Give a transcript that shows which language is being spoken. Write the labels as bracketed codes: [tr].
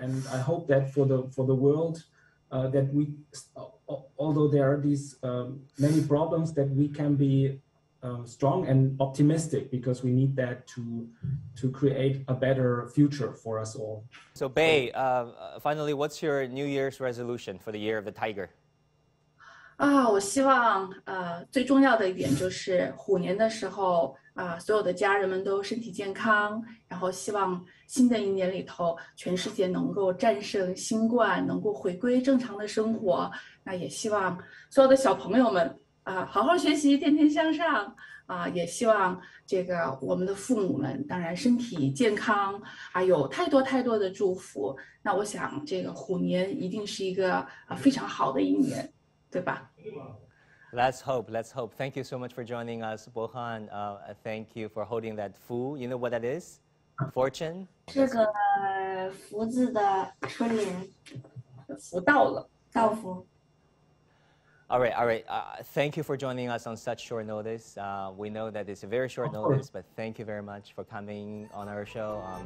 [en] And I hope that for the world, that we, although there are these many problems, that we can be strong and optimistic, because we need that to create a better future for us all. So Bei, finally, what's your New Year's resolution for the Year of the Tiger? [zh] 我希望最重要的一点就是虎年的时候所有的家人们都身体健康，然后希望新的一年里头全世界能够战胜新冠，能够回归正常的生活。那也希望所有的小朋友们好好学习，天天向上也希望这个我们的父母们当然身体健康，还有太多太多的祝福。那我想这个虎年一定是一个非常好的一年，对吧？ [en] Let's hope. Thank you so much for joining us, Bohan. Thank you for holding that fu. You know what that is? Fortune? [zh] 这个福字的春联。福到了，到福。 [en] All right. Thank you for joining us on such short notice. We know that it's a very short notice, but thank you very much for coming on our show.